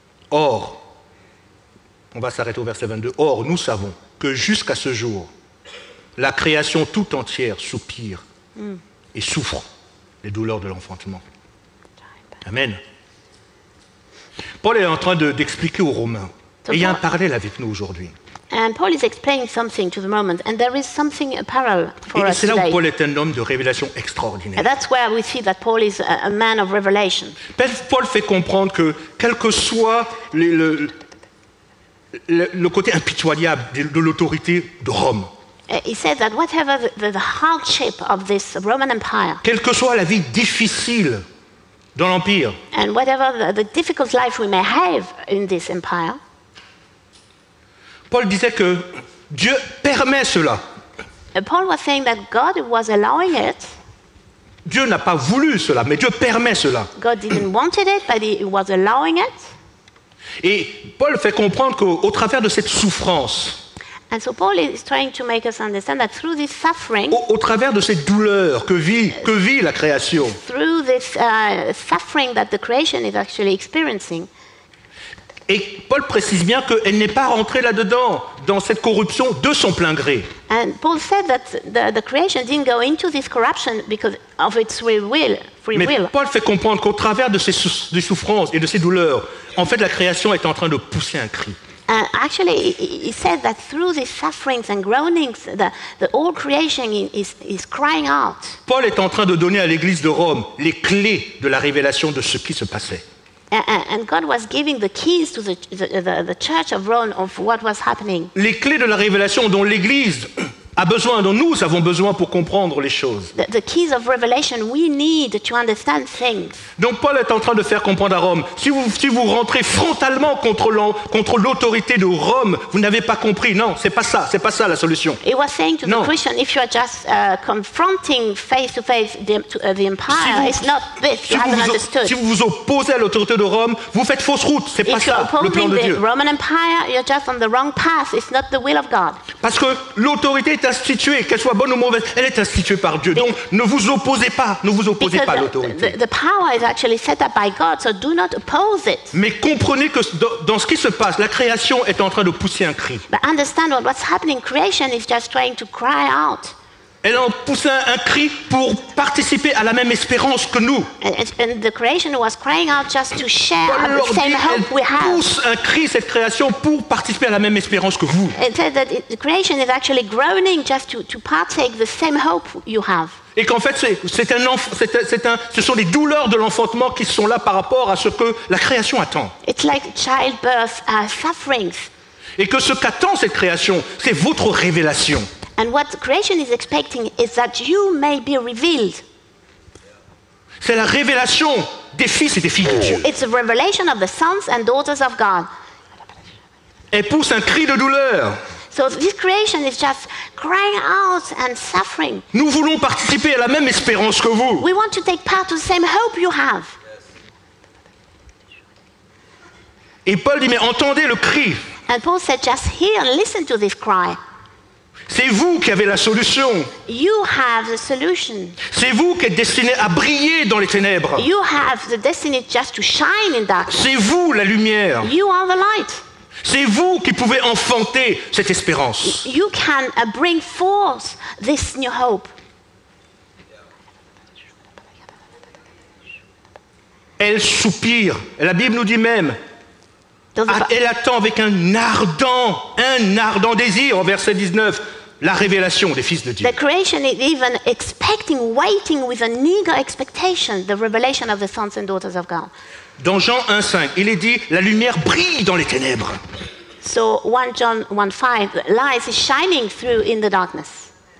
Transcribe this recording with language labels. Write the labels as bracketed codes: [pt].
[fr] Or, on va s'arrêter au verset 22, or nous savons que jusqu'à ce jour, la création tout entière soupire et souffre les douleurs de l'enfantement. Amen. Paul est en train d'expliquer aux Romains, et il y a un parallèle avec nous aujourd'hui. [en] And Paul is explaining something to the moment, and there is something parallel for [fr] et [en] today. [fr] Et c'est là [en] today. [fr] Où Paul est un homme de révélation extraordinaire. [en] And that's where we see that Paul is a man of revelation. [fr] Paul fait comprendre que, quel que soit le côté impitoyable de l'autorité de Rome, [en] he says that whatever the hardship of this Roman Empire, [fr] quelle que soit la vie difficile dans l'empire, [en] and whatever the difficult life we may have in this empire. [fr] Paul disait que Dieu permet cela. [en] Paul was saying that God was allowing it. [fr] Dieu n'a pas voulu cela, mais Dieu permet cela. [en] God didn't want it, but he was allowing it. [fr] Et Paul fait comprendre qu'au travers de cette souffrance, [en] and so Paul is trying to make us understand that through this suffering, [fr] au travers de cette douleur que vit la création, [en] through this suffering that the creation is actually experiencing. [fr] Et Paul précise bien qu'elle n'est pas rentrée là-dedans, dans cette corruption, de son plein gré. [en] And Paul said that the creation didn't go into this corruption because of its free will. [fr] Mais Paul fait comprendre qu'au travers de ces souffrances et de ces douleurs, en fait, la création est en train de pousser un cri. [en] And actually, he said that through these sufferings and groanings, the whole creation is crying out. [fr] Paul est en train de donner à l'Église de Rome les clés de la révélation de ce qui se passait. [en] And God was giving the keys to the church of Rome of what was happening. [fr] Les clés de la révélation dont l'Église a besoin, dont nous avons besoin pour comprendre les choses. [en] The keys of revelation we need to understand things. [fr] Donc Paul est en train de faire comprendre à Rome, si vous rentrez frontalement contre l'autorité de Rome, vous n'avez pas compris. Non, c'est pas ça la solution. [en] He was saying to the Christian, if you are just confronting face to face the empire, it's not this. You haven't understood. [fr] Si vous vous opposez à l'autorité de Rome, vous faites fausse route. C'est pas ça le plan de Dieu. [en] If you oppose the Roman Empire, you're just on the wrong path. It's not the will of God. [fr] Parce que l'autorité est instituée, qu'elle soit bonne ou mauvaise, elle est instituée par Dieu. Donc ne vous opposez pas à l'autorité. [en] The power is actually set up by God, so do not oppose it. [fr] Mais comprenez que dans ce qui se passe, la création est en train de pousser un cri. [en] But understand what's happening. Creation is just trying to cry out. [fr] Elle en pousse un cri pour participer à la même espérance que nous. [en] And the creation was crying out just to share Paul the same hope we have. [fr] Elle pousse un cri, cette création, pour participer à la même espérance que vous. [en] It said that the creation is actually groaning just to partake the same hope you have. [fr] Et qu'en fait, ce sont les douleurs de l'enfantement qui sont là par rapport à ce que la création attend. [en] It's like childbirth sufferings. [fr] Et que ce qu'attend cette création, c'est votre révélation. [en] And what creation is expecting is that you may be revealed. [fr] C'est la révélation des fils et des filles de Dieu. [en] It's a revelation of the sons and daughters of God. [fr] Elle pousse un cri de douleur. [en] So this creation is just crying out and suffering. [fr] Nous voulons participer à la même espérance que vous. [en] We want to take part to the same hope you have. [fr] Et Paul dit, mais entendez le cri. [en] And Paul said, just hear and listen to this cry. [fr] C'est vous qui avez la solution. [en] You have the solution. [fr] C'est vous qui êtes destiné à briller dans les ténèbres. [en] You have the destiny just to shine in darkness. [fr] C'est vous la lumière. [en] You are the light. [fr] C'est vous qui pouvez enfanter cette espérance. [en] You can bring forth this new hope. [fr] Elle soupire. La Bible nous dit même. Elle attend avec un ardent désir, en verset 19, la révélation des fils de Dieu. [en] The creation is even expecting, waiting with an eager expectation, the revelation of the sons and daughters of God. [fr] Dans Jean 1:5, il est dit, la lumière brille dans les ténèbres. [en] So 1 John 1:5, light is shining through in the darkness.